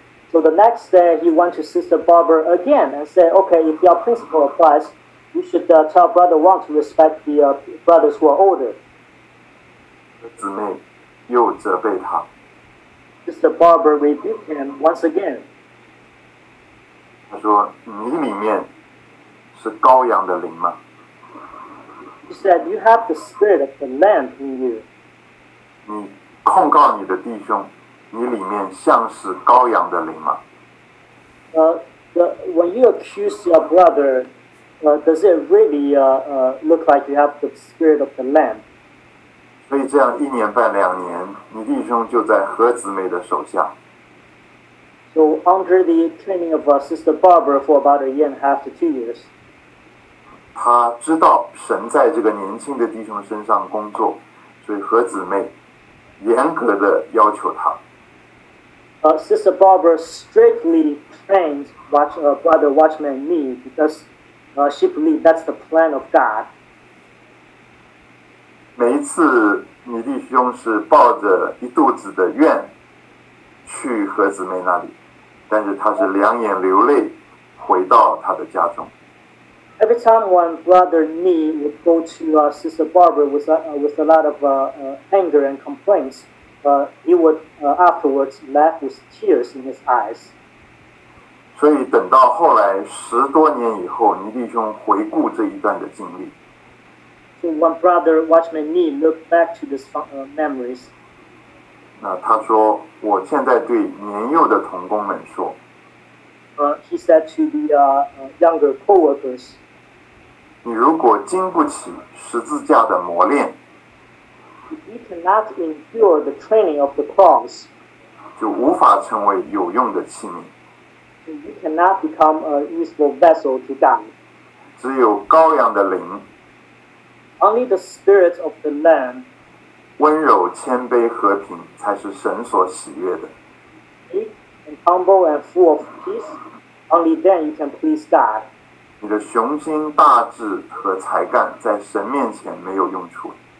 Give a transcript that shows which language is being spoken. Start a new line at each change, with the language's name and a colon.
English: So the next day he went to Sister Barbara again and said, okay, if your principle applies, you should tell Brother Wang to respect the brothers who are older.
Chinese: 姊妹又责备他。
English: Sister Barbara rebuked him once again.
Chinese: 他说，你里面是羔羊的灵吗？
English: He said, you have the spirit of the lamb in you.
Chinese: 你控告你的弟兄，你里面像是羔羊的灵吗？
English: When you accuse your brother, does it really look like you have the spirit of the lamb?
Chinese: 所以这样一年半两年，你弟兄就在何姊妹的手下。
English: So under the training of Sister Barbara for about a year and a half to 2 years,
Chinese: 他知道神在这个年轻的弟兄身上工作，所以何姊妹严格的要求他。
English: Sister Barbara strictly trained Brother Watchman me because she believed that's the plan of God.
Chinese: 每一次你弟兄是抱着一肚子的怨去何姊妹那里，但是他是两眼流泪回到他的家中。
English: Every time when Brother Ni would go to Sister Barbara with a lot of anger and complaints, he would afterwards laugh with tears in his eyes.
Chinese: 所以等到后来十多年以后，你弟兄回顾这一段的经历。
English: So when Brother Watchman Ni looked back to this memories,
Chinese: 那他说，我现在对年幼的同工们说。
English: He said to the younger co-workers,
Chinese: 你如果经不起十字架的磨练，
English: you cannot endure the training of the cross,
Chinese: 就无法成为有用的器皿。
English: You cannot become a useful vessel to God.
Chinese: 只有羔羊的灵，
English: only the spirit of the lamb,
Chinese: 温柔谦卑和平才是神所喜悦的。
English: And humble and full of peace, only then you can please God.
Chinese: 你的雄心大志和才干在神面前没有用处。